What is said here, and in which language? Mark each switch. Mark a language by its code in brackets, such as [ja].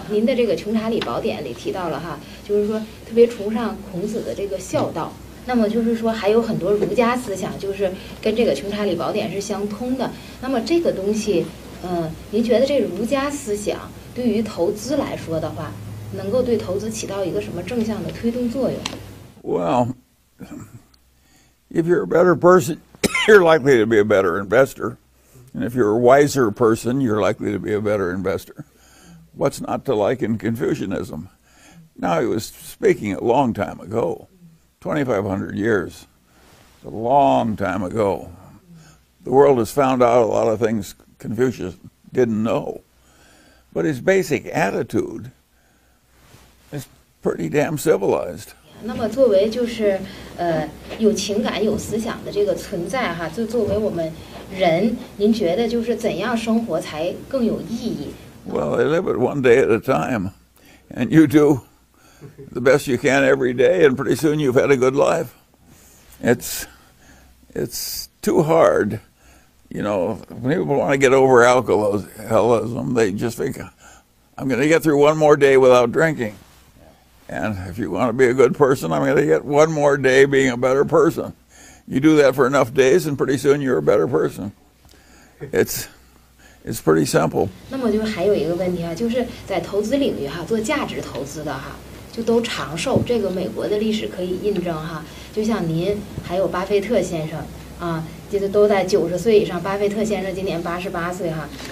[zh] 您的这个《穷查理宝典》里提到了哈，就是说特别崇尚孔子的这个孝道。那么就是说还有很多儒家思想，就是跟这个《穷查理宝典》是相通的。那么这个东西，您觉得这儒家思想对于投资来说的话？能够对投资起到一个什么正向的推动作用？ [en] Well, if you're a better person, you're likely to be a better investor. And if you're a wiser person, you're likely to be a better investor. What's not to like in Confucianism? Now, he was speaking a long time ago, 2,500 years. It's a long time ago. The world has found out a lot of things Confucius didn't know. But his basic attitude,pretty damn civilized. [zh] 那么作为就是有情感有思想的这个存在哈，就作为我们人，您觉得就是怎样生活才更有意义？ [en] Well, they live it one day at a time, and you do the best you can every day, and pretty soon you've had a good life. It's too hard, you know, when people want to get over alcoholism, they just think, I'm going to get through one more day without drinking. And if you want to be a good person, I'm going to get one more day being a better person. You do that for enough days, and pretty soon you're a better person. It's pretty simple. [zh] 那么就还有一个问题啊，就是在投资领域哈，做价值投资的哈，就都长寿。这个美国的历史可以印证哈，就像您还有巴菲特先生啊，就是都在90岁以上。巴菲特先生今年88岁哈。